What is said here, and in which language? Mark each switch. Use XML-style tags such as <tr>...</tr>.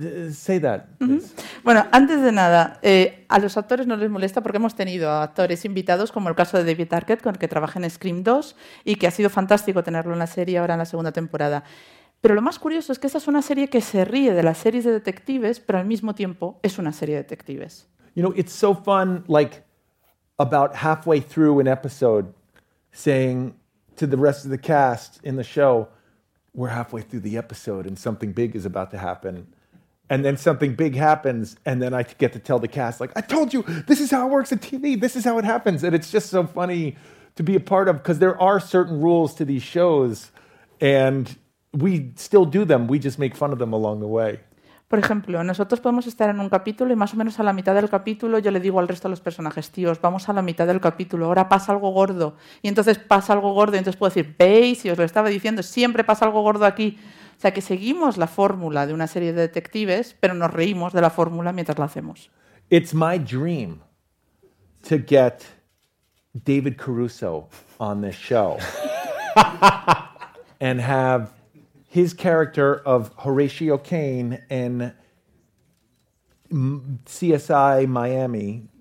<en>Say that. Mm-hmm.</en> <es>Bueno, antes de nada, a los actores no les molesta porque hemos tenido a actores invitados, como el caso de David Arquette, con el que trabajé en Scream 2, y que ha sido fantástico tenerlo en la serie ahora en la segunda temporada. Pero lo más curioso es que esta es una serie que se ríe de las series de detectives, pero al mismo tiempo es una serie de detectives.</es> <en>You know, it's so fun, like, about halfway through an episode, saying to the rest of the cast in the show, we're halfway through the episode and something big is about to happen. And then something big happens, and then I get to tell the cast, like, I told you, this is how it works in TV, this is how it happens. And it's just so funny to be a part of, because there are certain rules to these shows, and we still do them, we just make fun of them along the way.</en> <es>Por ejemplo, nosotros podemos estar en un capítulo y más o menos a la mitad del capítulo yo le digo al resto de los personajes, tíos, vamos a la mitad del capítulo, ahora pasa algo gordo. Y entonces pasa algo gordo y entonces puedo decir, veis, y os lo estaba diciendo, siempre pasa algo gordo aquí. O sea, que seguimos la fórmula de una serie de detectives, pero nos reímos de la fórmula mientras la hacemos.</es> <en>It's my dream to get David Caruso on this show. and have his character of Horatio Caine in CSI Miami.</en>